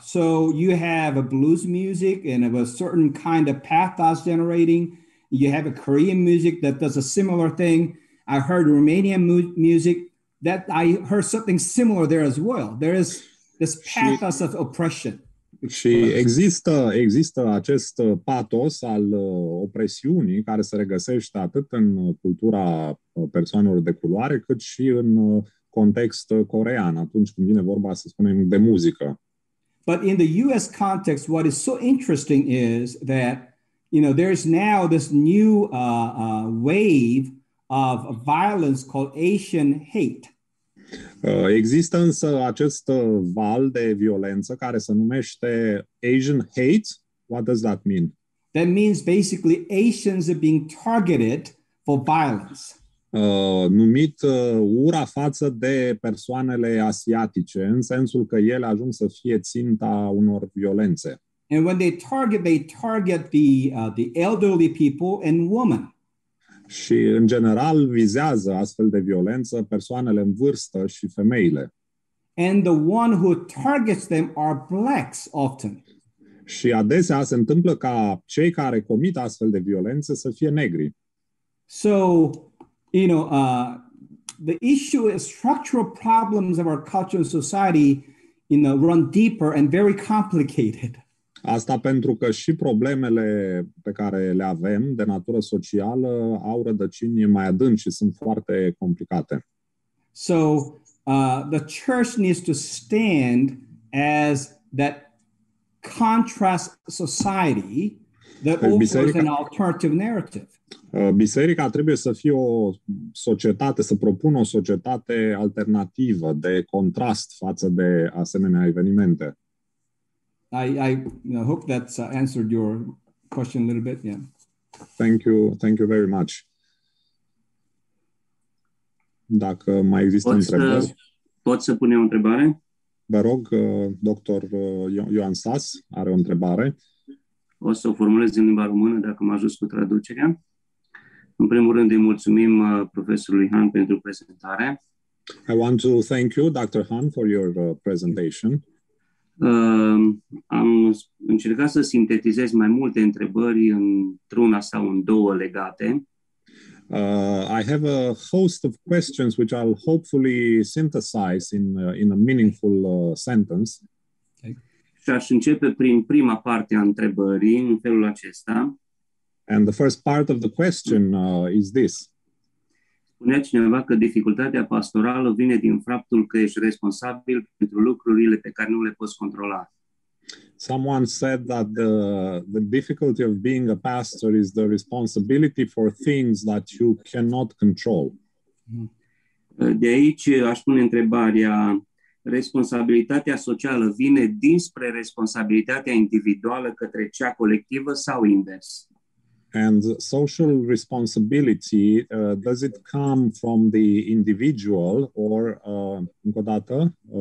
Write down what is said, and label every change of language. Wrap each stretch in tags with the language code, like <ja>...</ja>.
<en>So you have a blues music and of a certain kind of pathos generating. You have a Korean music that does a similar thing. I heard Romanian music that I heard something similar there as well. There is this pathos of oppression.</en> <ro>Și există acest patos al opresiunii care se regăsește atât în cultura persoanelor de culoare, cât și în context corean, atunci când vine vorba, să spunem, de muzică.</ro> <en>But in the US context, what is so interesting is that, you know, there's now this new wave of violence called Asian hate.</en> <ro>Există însă acest val de violență care se numește Asian hate.</ro> <en>What does that mean? That means basically Asians are being targeted for violence.</en> <ro>Numit ura față de persoanele asiatice, în sensul că ele ajung să fie ținta unor violențe.</ro> <en>And when they target the elderly people and women.</en> <ro>Și în general vizează astfel de violență persoanele în vârstă și femeile.</ro> <en>And the one who targets them are blacks often.</en> <ro>Și adesea se întâmplă ca cei care comit astfel de violență să fie negri.</ro> <en>So, you know, the issue is structural problems of our culture and society, you know, run deeper and very complicated.</en> <ro>Asta pentru că și problemele pe care le avem de natură socială au rădăcini mai adânci și sunt foarte complicate.</ro> <en>So, the church needs to stand as that contrast society that offers an alternative narrative.</en> <ro>Biserica trebuie să fie o societate, să propună o societate alternativă de contrast față de asemenea evenimente.</ro> <en>I hope that's answered your question a little bit. Yeah. Thank you very much.</en> <ro>Dacă mai există întrebări. Pot să pun eu o întrebare? Vă rog, doctor Ioan Sas are o întrebare. O să o formulez în limba română dacă m-a ajuns cu traducerea. În primul rând îi mulțumim profesorului Han pentru prezentare.</ro> <en>I want to thank you, Dr. Han, for your presentation.</en> <ro>Am încercat să sintetizez mai multe întrebări într-una sau în două legate.</ro> <en>I have a host of questions which I'll hopefully synthesize in a meaningful sentence.</en> <ro>Și aș începe prin prima parte a întrebării în felul acesta.</ro> <en>And the first part of the question is this.</en> <ro>Spunea cineva că dificultatea pastorală vine din faptul că ești responsabil pentru lucrurile pe care nu le poți controla.</ro> <en>Someone said that the difficulty of being a pastor is the responsibility for things that you cannot control.</en> <ro>De aici aș pune întrebarea, responsabilitatea socială vine dinspre responsabilitatea individuală către cea colectivă sau invers?</ro> <en>And social responsibility, does it come from the individual or,</en> <ro>încă o dată?</ro>